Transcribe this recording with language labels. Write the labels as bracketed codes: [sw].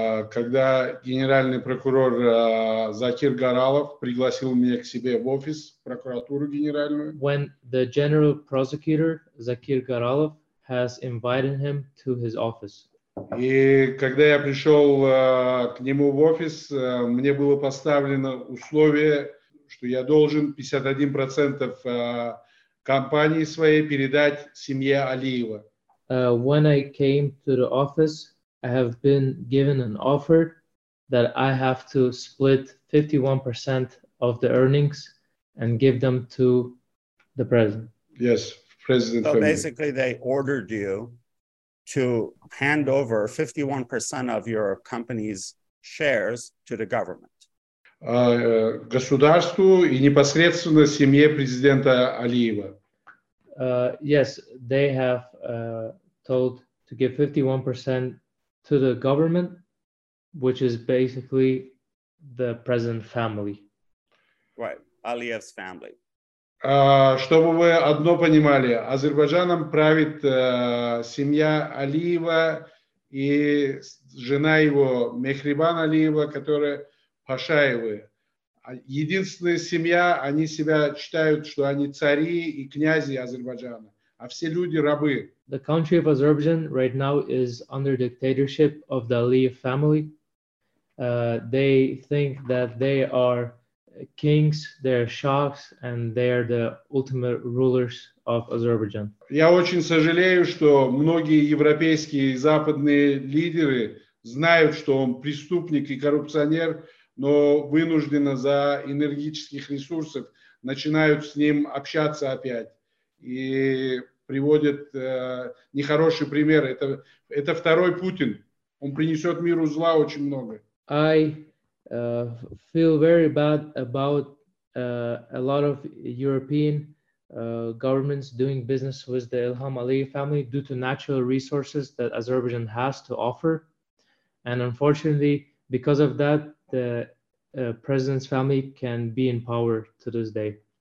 [ru] Когда генеральный прокурор Закир Гаралов пригласил меня к себе в офис прокуратуру генеральную. [en] When the general prosecutor Закир Гаралов has invited him to his office. [ru] И когда я пришел к нему в офис, мне было поставлено условие, что я должен 51% компании своей передать семье Алиева. [en] When I came to the office, I have been given an offer that I have to split 51% of the earnings and give them to the president. Yes, president. So basically they ordered you to hand over 51% of your company's shares to the government. [ru] государству и непосредственно семье президента Алиева. [en] Yes, they have told to give 51% to the government, which is basically the president family. Right, Aliyev's family. [ru] Чтобы вы одно понимали, Азербайджаном правит семья Алиева и жена его Мехрибан Алиева, которая Пашаевы. Единственная семья, они себя считают, что они цари и князи Азербайджана, а все люди рабы. [en] The country of Azerbaijan right now is under dictatorship of the Aliyev family. They think that they are kings, they are shahs, and they are the ultimate rulers of Azerbaijan. [ru] Я очень сожалею, что многие европейские и западные лидеры знают, что он преступник и коррупционер, но вынуждены за энергетических ресурсов начинают с ним общаться опять и приводят нехороший пример. Это второй Путин. Он принесет миру зла очень много. [en] I feel very bad about a lot of European governments doing business with the Ilham Aliyev family due to natural resources that Azerbaijan has to offer. And unfortunately, because of that, the president's family can be in power to this day.